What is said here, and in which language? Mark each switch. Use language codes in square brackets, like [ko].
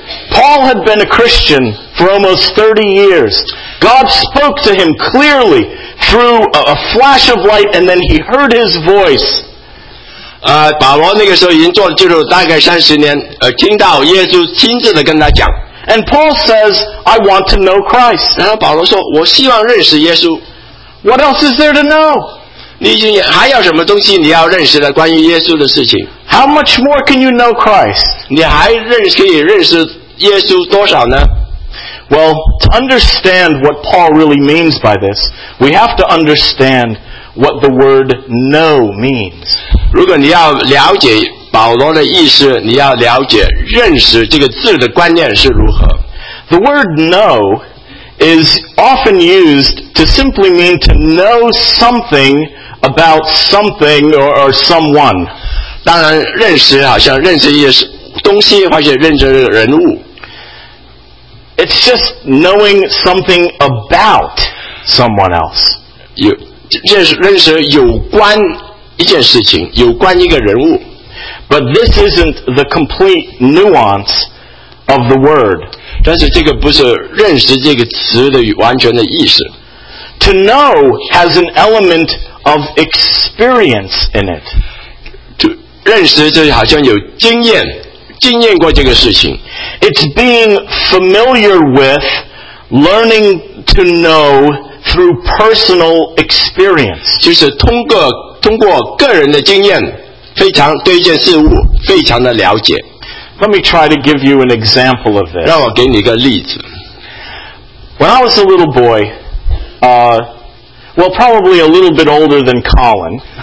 [en] Paul had been a Christian for almost 30 years. God spoke to him clearly through a flash of light and then he heard his voice. [zh] 保罗那个时候已经做了基督大概30年听到耶稣亲自的跟他讲。 [en] And Paul says, I want to know Christ. [zh] 然后保罗说我希望认识耶稣。 [en] What else is there to know? [zh] 你还有什么东西你要认识的关于耶稣的事情。 [en] How much more can you know Christ? [zh] 你还可以认识耶稣多少呢? [en] Well, to understand what Paul really means by this, we have to understand what the word know means. [zh] 如果你要了解保罗的意思，你要了解认识这个字的观念是如何。 [en] The word know is often used to simply mean to know something about something or someone. [zh] 当然认识好像认识一些东西或者认识人物。 [en] It's just knowing something about someone else. [zh] 认识有关一件事情，有关一个人物。 [en] But this isn't the complete nuance of the word. [zh] 但是这个不是认识这个词的完全的意思。 [en] To know has an element of experience in it. [zh] 认识就好像有经验，经验过这个事情。 [en] It's being familiar with, learning to know through personal experience. [zh] 就是通过个人的经验，非常对一件事物非常的了解。 [en] Let me try to give you an example of this. [zh] 让我给你一个例子。 [en] When I was a little boy, probably a little bit older than Colin.